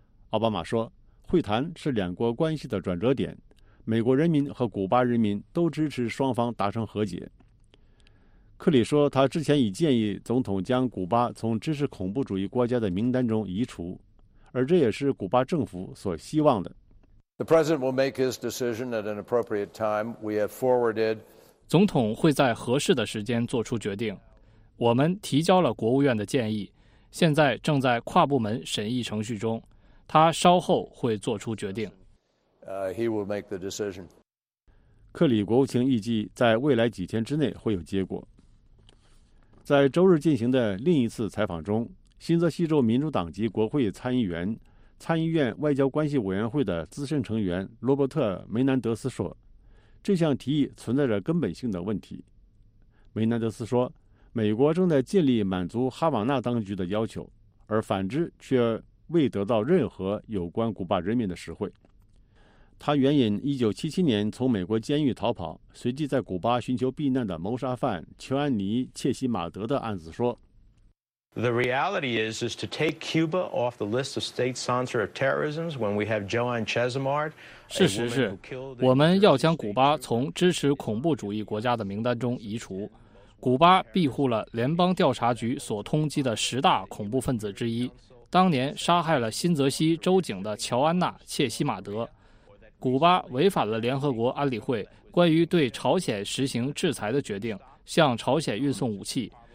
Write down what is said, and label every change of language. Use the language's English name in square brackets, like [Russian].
[Chinese] 奥巴马说，会谈是两国关系的转折点，美国人民和古巴人民都支持双方达成和解。克里说，他之前已建议总统将古巴从支持恐怖主义国家的名单中移除，而这也是古巴政府所希望的。 [English] The president will make his decision at an appropriate time. We have forwarded. [Chinese] 总统会在合适的时间做出决定，我们提交了国务院的建议，现在正在跨部门审议程序中，他稍后会做出决定。 [English] He will make the decision. [Chinese] 克里国务卿预计在未来几天之内会有结果。在周日进行的另一次采访中，新泽西州民主党籍国会参议员、参议院外交关系委员会的资深成员罗伯特·梅南德斯说，这项提议存在着根本性的问题。梅南德斯说，美国正在尽力满足哈瓦那当局的要求，而反之却未得到任何有关古巴人民的实惠。他援引1977年从美国监狱逃跑，随即在古巴寻求避难的谋杀犯乔安尼·切西马德的案子说， [English] The reality is to take Cuba off the list of state sponsor of terrorism when we have Joan Chesimard。 [Chinese] 事实是，我们要将古巴从支持恐怖主义国家的名单中移除。古巴庇护了联邦调查局所通缉的十大恐怖分子之一，当年杀害了新泽西州警的乔安娜·切西马德。古巴违反了联合国安理会关于对朝鲜实行制裁的决定，向朝鲜运送武器。